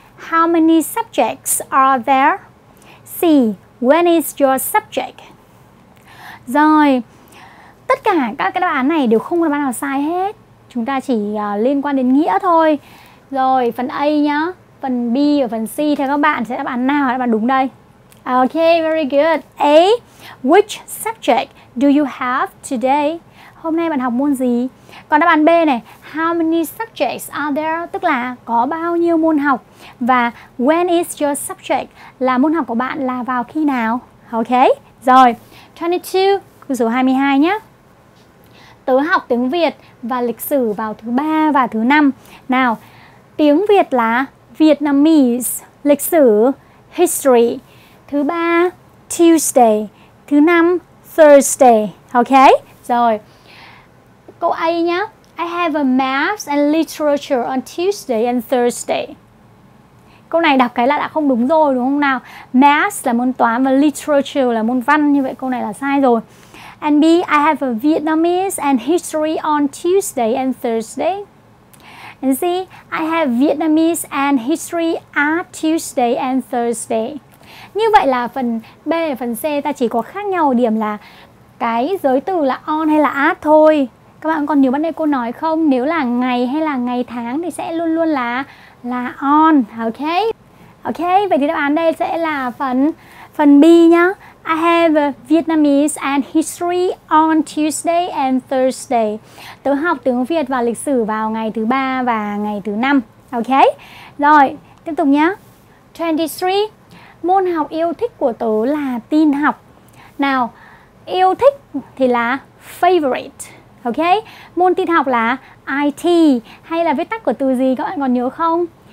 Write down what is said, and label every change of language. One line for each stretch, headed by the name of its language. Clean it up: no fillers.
English: How many subjects are there? C. When is your subject?
Vietnamese: Rồi, tất cả các cái đáp án này đều không có đáp án nào sai hết. Chúng ta chỉ liên quan đến nghĩa thôi. Rồi, phần A nhá, phần B và phần C theo các bạn sẽ đáp án nào đáp án đúng đây?
English: Ok, very good. A. Which subject do you have today?
Vietnamese: hôm nay bạn học môn gì. Còn đáp án B này,
English: how many subjects are there,
Vietnamese: tức là có bao nhiêu môn học. Và
English: when is your subject,
Vietnamese: là môn học của bạn là vào khi nào. Ok, rồi 22, câu số 22 nhé. Tớ học tiếng Việt và lịch sử vào thứ 3 và thứ 5. Nào, tiếng Việt là Vietnamese, lịch sử history, thứ 3 Tuesday, thứ 5 Thursday. Ok, rồi câu A nhá.
English: I have a maths and literature on Tuesday and Thursday.
Vietnamese: Câu này đọc cái là đã không đúng rồi đúng không nào? Maths là môn toán và literature là môn văn, như vậy câu này là sai rồi.
English: And B, I have a Vietnamese and history on Tuesday and Thursday. And C, I have Vietnamese and history at Tuesday and Thursday.
Vietnamese: Như vậy là phần B và phần C ta chỉ có khác nhau ở điểm là cái giới từ là on hay là at thôi. Các bạn còn nhớ bắt đây cô nói không? Nếu là ngày hay là ngày tháng thì sẽ luôn luôn là on. Ok, ok, vậy thì đáp án đây sẽ là phần B nhá.
English: I have Vietnamese and history on Tuesday and Thursday.
Vietnamese: Tớ học tiếng Việt và lịch sử vào ngày thứ 3 và ngày thứ 5. Ok, rồi tiếp tục nhá. 23, môn học yêu thích của tớ là tin học. Nào, yêu thích thì là favorite. Ok, môn tin học là IT, hay là viết tắt của từ gì các bạn còn nhớ không?